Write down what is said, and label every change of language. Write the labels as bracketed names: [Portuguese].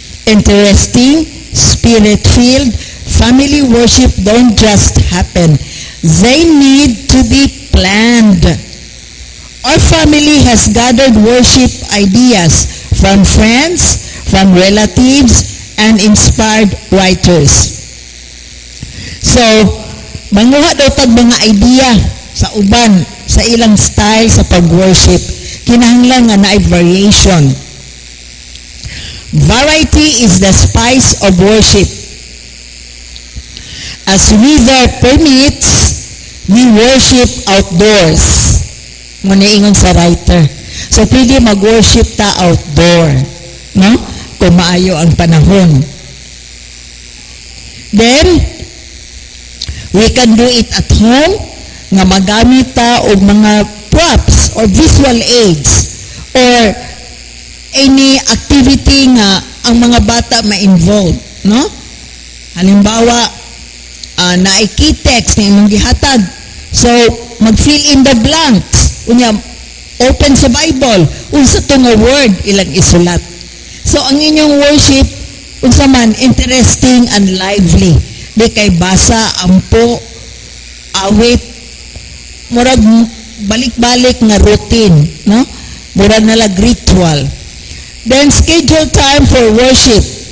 [English] Interesting spirit filled. Family worship don't just happen. They need to be planned. Our family has gathered worship ideas from friends, from relatives, and inspired writers. [Cebuano] So, manguha daw tag mga idea sa uban, sa ilang style sa pag-worship. Kinahanglan nga na ay variation. [English] Variety is the spice of worship. As weather permits, we worship outdoors. [Cebuano] Muniingon sa writer. So, pwede mag-worship ta outdoor. No? Kung maayo ang panahon. [English] Then, we can do it at home nga magamit ta og mga props or visual aids or any activity nga ang mga bata ma-involve. No? [Cebuano] Halimbawa, naay key text na inyong gihatag. So, mag-fill in the blanks. Unya, open sa Bible. Unsa to nga word ilang isulat. So, ang inyong worship, unsa man, interesting and lively. Di kay basa, ampo, awit, murag balik-balik nga routine, no? Murag nalag ritual. [English] then schedule time for worship.